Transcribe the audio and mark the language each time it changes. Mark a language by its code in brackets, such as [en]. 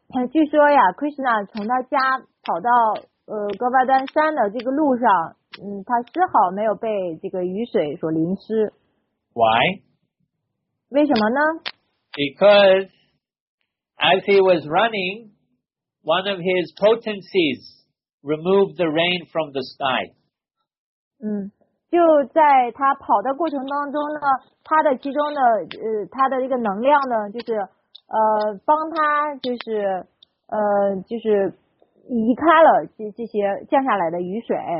[zh] 据说呀 ，Krishna 从他家跑到哥瓦丹山的这个路上，他丝毫没有被这个雨水所淋湿。 [en] Why? [zh] 为什么呢 [en] ？Because as he was running. One of his potencies removed the rain from the sky. [zh] 就在他跑的过程当中呢，他的其中的他的一个能量呢，就是帮他就是就是移开了这些降下来的雨水。